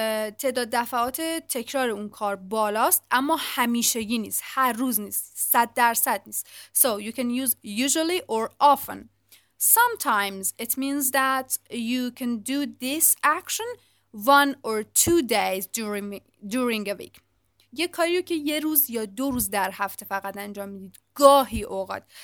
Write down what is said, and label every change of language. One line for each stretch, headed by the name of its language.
Persian: تعداد دفعات تکرار اون کار بالاست اما همیشگی نیست، هر روز نیست، 100% نیست.
English: So you can use usually or often. Sometimes it means that you can do this action one or two days during a week.
Persian: یه کاریو که یه روز یا دو روز در هفته فقط انجام میدید، گاهی اوقات.